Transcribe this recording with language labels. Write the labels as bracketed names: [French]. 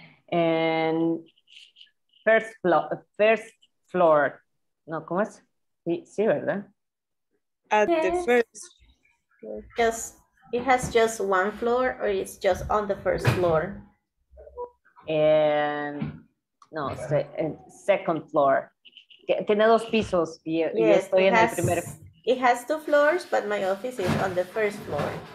[English] And first floor. [Spanish] No, ¿cómo es? Sí, ¿verdad? [English] At the first. Just, it has just one floor or it's just on the first floor? And no, second floor. [Spanish] Tiene dos pisos y yes, yo estoy en el primer. [English] It has two floors, but my office is on the first floor.